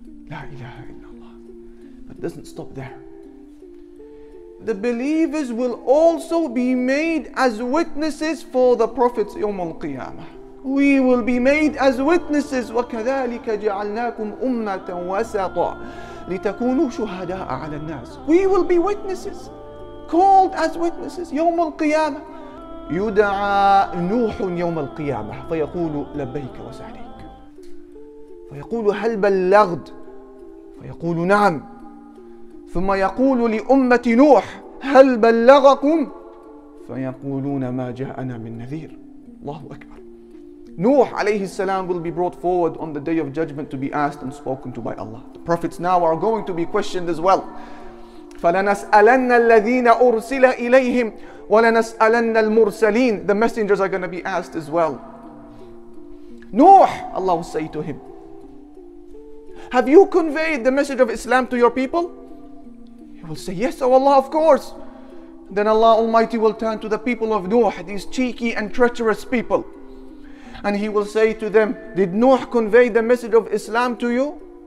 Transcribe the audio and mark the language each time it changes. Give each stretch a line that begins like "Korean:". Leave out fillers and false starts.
Arabic: La ilaha illallah.
English: But it doesn't stop there. The believers will also be made as witnesses for the Prophet's Yawm al-Qiyamah. We will be made as witnesses.
Arabic: وَكَذَلِكَ جَعَلْنَاكُمْ أُمَّةً وَسَطًا لِتَكُونُوا شُهَدَاءَ عَلَى النَّاسِ.
English: We will be witnesses, called as witnesses, Yawm al-Qiyamah.
Arabic: يُدَعَى نُوحٌ يوم القيامة فَيَقُولُ لَبَّيْكَ وَسَعْلَيْكَ فَيَقُولُ هَلْ بَلَّغْدْ فَيَقُولُ نَعَمْ ثم يقول لأمة نوح هل بلغكم فيقولون ما جاءنا من نذير. الله أكبر.
English: Nuh
Arabic: عليه السلام
English: will be brought forward on the day of judgment to be asked and spoken to by Allah. The prophets now are going to be questioned as well.
Arabic: فلنسألن الذين أرسل إليهم ولنسألن المرسلين.
English: The messengers are going to be asked as well. Nuh, Allah will say to him, "Have you conveyed the message of Islam to your people?" Will say, "Yes, oh Allah, of course." Then Allah Almighty will turn to the people of Nuh, these cheeky and treacherous people, and he will say to them, "Did Nuh convey the message of Islam to you?"